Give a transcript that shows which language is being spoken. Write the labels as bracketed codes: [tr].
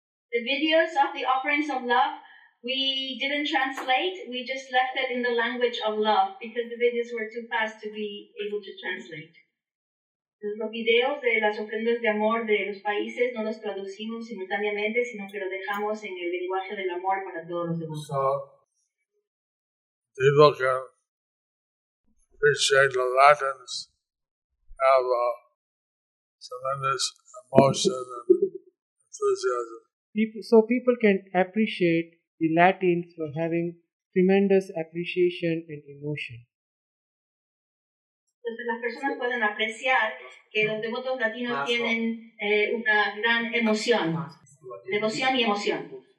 [en] The videos of the offerings of love, we didn't translate. We just left it in the language of love because the videos were too fast to be able to translate. [es] Los videos de las ofrendas de amor de los países no los traducimos simultáneamente, sino que lo dejamos en el lenguaje del amor para todos los demás. [en] So, people can appreciate the Latins have a tremendous emotion and enthusiasm. So people can appreciate the Latins for having tremendous appreciation and emotion. [es] Entonces las personas pueden apreciar que los devotos latinos tienen una gran emoción, devoción y emoción.